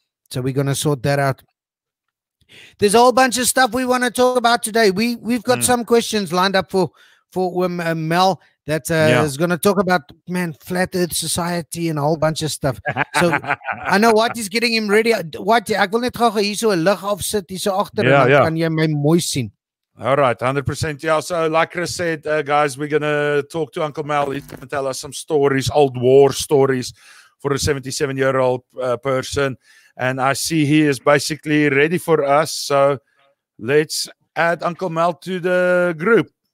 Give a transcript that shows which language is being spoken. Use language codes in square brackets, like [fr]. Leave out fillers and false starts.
[en] So we're going to sort that out. There's a whole bunch of stuff we want to talk about today. We've got some questions lined up for Mel that is going to talk about, man, flat earth society and a whole bunch of stuff. So I know what is getting him ready. [af] What ek wil net gou hier so 'n lig afsit hier so agter en dan kan jy my mooi sien. [en] All right, 100%. Yeah, so like Chris said, guys, we're going to talk to Uncle Mel. He's going to tell us some stories, old war stories for a 77-year-old person. And I see he is basically ready for us. So let's add Uncle Mel to the group.